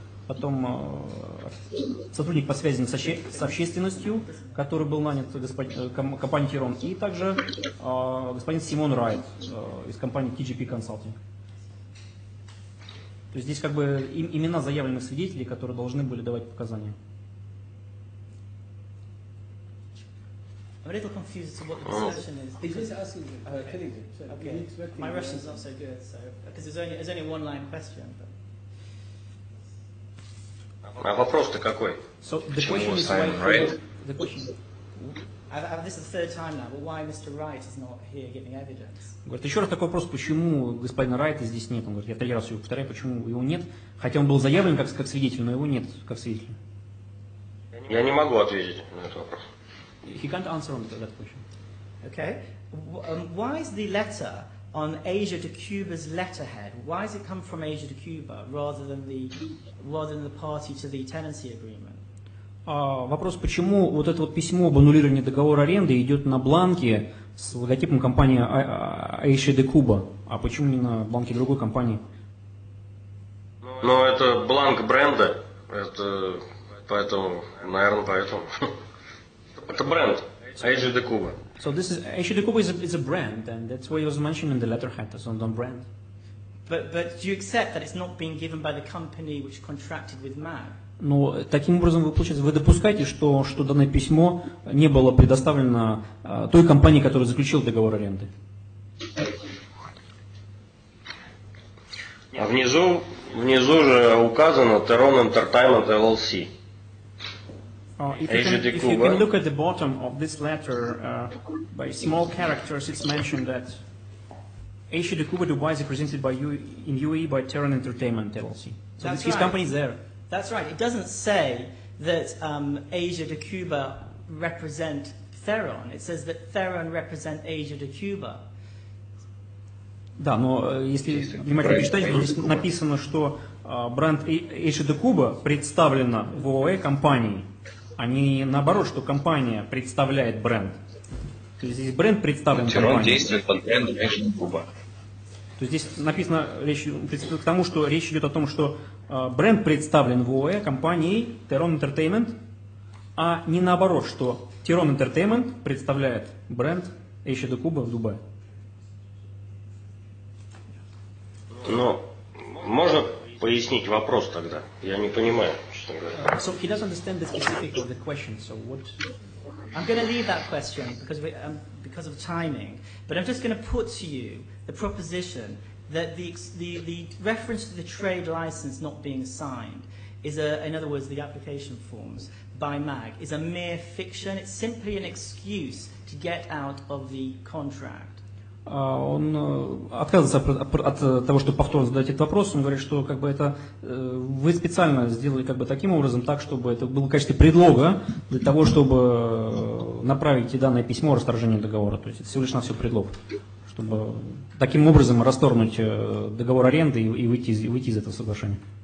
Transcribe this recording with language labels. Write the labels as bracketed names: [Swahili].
[Russian] Потом сотрудник по связи с общественностью, который был нанят компанией «Ферон», и также господин Симон Райт из компании TGP Consulting. То есть здесь как бы имена заявленных свидетелей, которые должны были давать показания. [English] I'm a little confused to what the discussion is. He's just asking Killing him. So okay. My Russian's not so good, so because there's only one line question. [Russian] А вопрос-то какой? [English] So the question is Simon Wright. The question. I've this is the third time now, but why Mr. Wright is not here giving evidence? [Russian] Говорит, еще раз такой вопрос, почему господина Райта здесь нет? Он говорит, я третий раз его повторяю, почему его нет? Хотя он был заявлен как свидетель, но его нет как свидетель. Я не могу ответить на этот вопрос. [English] He can't answer on that question. Okay. Why is the letter on Asia to Cuba's letterhead? Why does it come from Asia to Cuba rather than the party to the tenancy agreement? [Russian] Вопрос, почему вот это вот письмо об аннулировании договора аренды идет на бланке с логотипом компании Asia to Cuba, а почему не на бланке другой компании? Ну, это бланк бренда, это поэтому, наверное, поэтому. Это бренд, Asia de Cuba. [English] So this is Asia de Cuba is a brand, and that's why it was mentioned in the letterhead as on brand. But do you accept that it's not being given by the company which contracted with MAG? [Russian] Но таким образом вы получается, вы допускаете, что данное письмо не было предоставлено той компании, которая заключила договор аренды? А внизу же указано Terron Entertainment LLC. [English] If you can look at the bottom of this letter, by small characters, it's mentioned that Asia de Cuba Dubai is presented by you in UAE by Terron Entertainment LLC. So his company's there. That's right. It doesn't say that Asia de Cuba represent Terron. It says that Terron represent Asia de Cuba. [Russian] Да, но если внимательно прочитать, здесь написано, что бренд Asia de Cuba представлена в ООЭ компании. А не наоборот, что компания представляет бренд. То есть здесь бренд представлен компанией. Терон действует под брендом Asia de Cuba. То есть здесь написано, к тому, что речь идет о том, что бренд представлен в ООЭ компанией Terron Entertainment, а не наоборот, что Terron Entertainment представляет бренд Asia de Cuba в Дубае. Но можно пояснить вопрос тогда? Я не понимаю. [English] So he doesn't understand the specific of the question. So what? I'm going to leave that question because of timing. But I'm just going to put to you the proposition that the reference to the trade license not being signed is in other words, the application forms by MAG is a mere fiction. It's simply an excuse to get out of the contract. [Russian] Он отказывается от того, чтобы повторно задать этот вопрос. Он говорит, что как бы это вы специально сделали как бы таким образом, так чтобы это было в качестве предлога для того, чтобы направить данное письмо о расторжении договора. То есть это всего лишь на все предлог, чтобы таким образом расторгнуть договор аренды и выйти из этого соглашения.